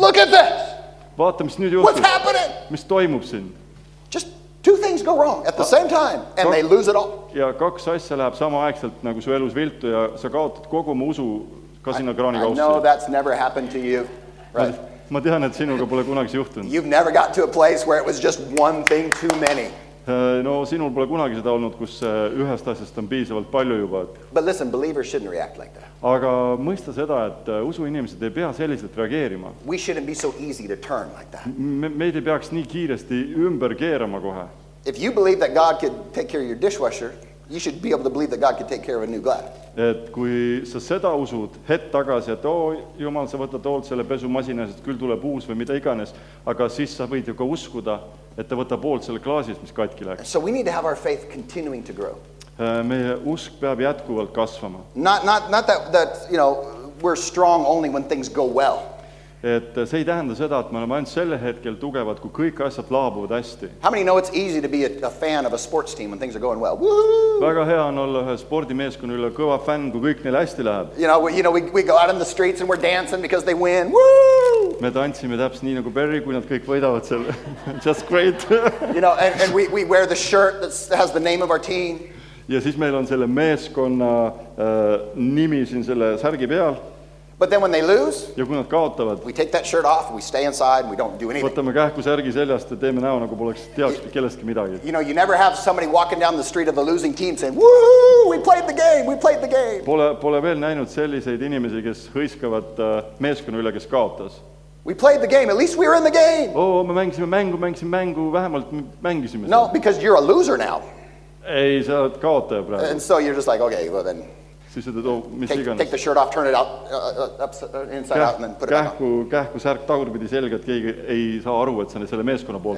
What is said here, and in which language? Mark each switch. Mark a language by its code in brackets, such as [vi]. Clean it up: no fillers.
[en] Look at this. [et] Vaata, mis nüüd juhtub. [en] What's happening? [et] Mis toimub siin? [en] Just two things go wrong at the same time and they lose it all. [et] Ja kaks asja läheb sama aegselt nagu su elus viltu ja sa kaotad kogu mu usu ka sinna kraani kaussi. [en] I know that's never happened to you. Right. [et] Ma tean, et sinuga pole kunagi juhtunud. [en] You've never got to a place where it was just one thing too many. [et] No sinul pole kunagi seda olnud, kus ühest asjast on piisavalt palju juba. [en] But listen, believers shouldn't react like that. [et] Aga mõista seda, et usu inimesed ei pea selliselt reageerima. [en] We shouldn't be so easy to turn like that. [et] Meid ei peaks nii kiiresti ümber keerama kohe. [en] If you believe that God could take care of your dishwasher, you should be able to believe that God could take care of a new glass. [et] Et kui sa seda usud, het tagasi, et oo, Jumal, sa võtad oolt selle pesumasinas, et küll tuleb uus või mida iganes, aga siis sa võid ju ka uskuda, et ta võtab oolt selle klaasis, mis katki läheb. [en] So we need to have our faith continuing to grow. [et] Meie usk peab jätkuvalt kasvama. [en] Not that, you know, we're strong only when things go well. [et] Et see ei tähenda seda, et me oleme ainult selle hetkel tugevad, kui kõik asjad laabuvad hästi. [en] How many know it's easy to be a fan of a sports team when things are going well? Woo-hoo! [et] Väga hea on olla ühe spordimeeskonna üle kõva fan, kui kõik neil hästi läheb. [en] You know, we go out in the streets and we're dancing because they win. Woo! [et] Me tantsime täpselt nii nagu Barry, kui nad kõik võidavad selle. [en] Just great. You know, and we wear the shirt that has the name of our team. [et] Ja siis meil on selle meeskonna nimi siin selle särgi peal. [en] But then when they lose, [et] ja kui nad kaotavad, [en] we take that shirt off, we stay inside, and we don't do anything. [et] Võtame kähku särgi seljast ja teeme näo, nagu poleks teaks kellestki midagi. [en] You know, you never have somebody walking down the street of the losing team saying, woohoo, we played the game. [et] Pole veel näinud selliseid inimesi, kes hõiskavad meeskonna üle, kes kaotas. [en] We played the game, at least we were in the game. [et] Oh, me mängisime mängu, vähemalt mängisime. [en] No, because you're a loser now. [et] Ei, sa oled kaotaja praegu. [en] And so you're just like, okay, well then, take the shirt off, turn it out, inside out, and then put it back on. [et] Kähku särk tagurpidi selgelt, keegi ei saa aru, et sa selle meeskonna poolt.